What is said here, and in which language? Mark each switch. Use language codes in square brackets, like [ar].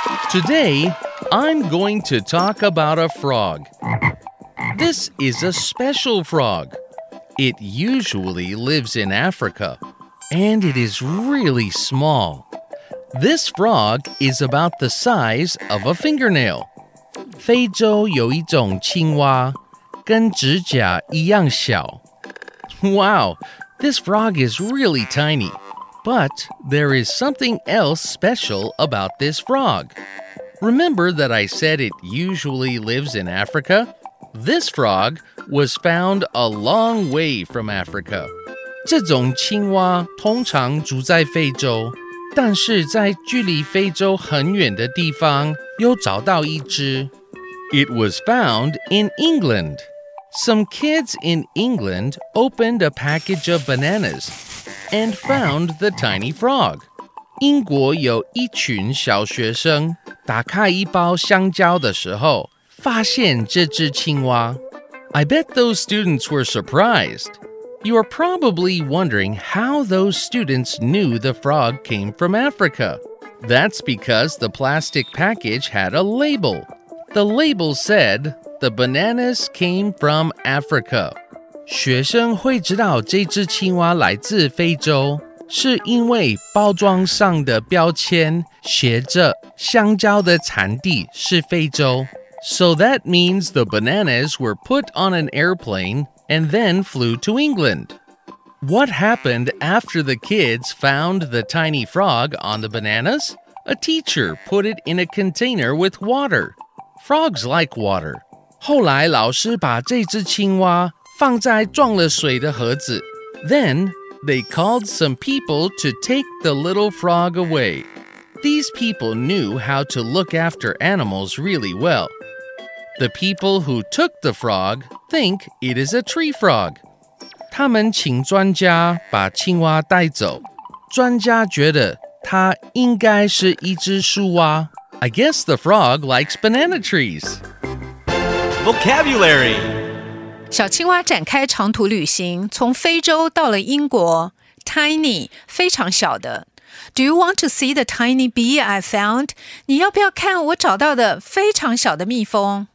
[en] Today, I'm going to talk about a frog. This is a special frog. It usually lives in Africa, and it is really small. This frog is about the size of a fingernail. [zh] 非洲有一种青蛙，跟指甲一样小。 [en] Wow, this frog is really tiny. But there is something else special about this frog. Remember that I said it usually lives in Africa? This frog was found a long way from Africa. [zh] 这种青蛙通常住在非洲，但是在距离非洲很远的地方又找到一只。 [en] It was found in England. Some kids in England opened a package of bananas and found the tiny frog. [zh] 英国有一群小学生打开一包香蕉的时候发现这只青蛙。 [en] I bet those students were surprised. You are probably wondering how those students knew the frog came from Africa. That's because the plastic package had a label. The label said, the bananas came from Africa. [zh] 学生会知道这只青蛙来自非洲，是因为包装上的标签写着香蕉的产地是非洲。 [en] So that means the bananas were put on an airplane and then flew to England. What happened after the kids found the tiny frog on the bananas? A teacher put it in a container with water. Frogs like water. [zh] 后来老师把这只青蛙放在装了水的盒子。 [en] Then, they called some people to take the little frog away. These people knew how to look after animals really well. The people who took the frog think it is a tree frog. [zh] 他们请专家把青蛙带走。专家觉得它应该是一只树蛙。 [en] I guess the frog likes banana trees. Vocabulary. [zh] 小青蛙展开长途旅行，从非洲到了英国。 Tiny, 非常小的。 [en] Do you want to see the tiny bee I found? [zh] 你要不要看我找到的非常小的蜜蜂？